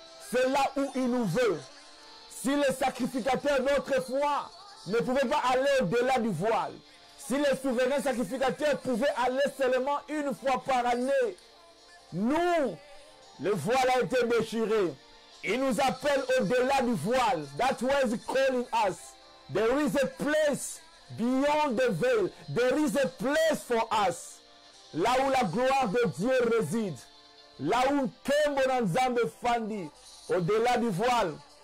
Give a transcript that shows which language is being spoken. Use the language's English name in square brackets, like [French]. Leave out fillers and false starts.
[French] C'est là où il nous veut. Si les sacrificateurs d'autrefois ne pouvaient pas aller au-delà du voile, si les souverains sacrificateurs pouvaient aller seulement une fois par année, nous, le voile a été déchiré. Il nous appelle au-delà du voile. [English] That's where he's calling us. There is a place. Beyond the veil, there is a place for us. [French] Là où la gloire de Dieu réside. Là où [Lingala] Kembo Nzambe Fandi, [French] au-delà du voile.